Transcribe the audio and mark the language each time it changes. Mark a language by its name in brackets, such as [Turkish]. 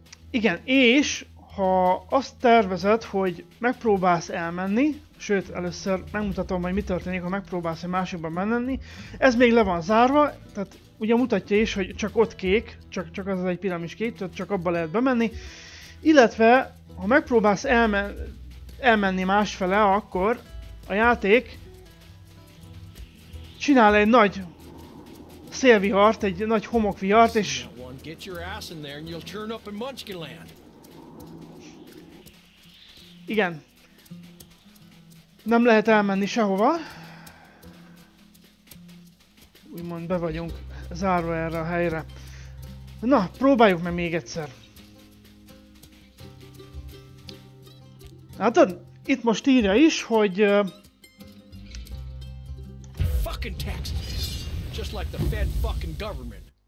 [Hungarian] Igen, és ha azt tervezed, hogy megpróbálsz elmenni, sőt, először megmutatom, hogy mi történik, ha megpróbálsz egy másikba menni, ez még le van zárva, tehát ugye mutatja is, hogy csak ott kék, csak az egy piramis kék, tehát csak abba lehet bemenni, illetve ha megpróbálsz elmenni másfele, akkor a játék csinál egy nagy szélvihart, egy nagy homokvihart, és... [English] Get your ass in there and you'll turn up in Munchkinland. [Hungarian] Igen. Nem lehet elmenni sehova. Úgymond be vagyunk zárva erre a helyre. Na, próbáljuk meg még egyszer. Hát, itt most írja is, hogy... [English] Fucking taxes. Just like the Fed fucking government.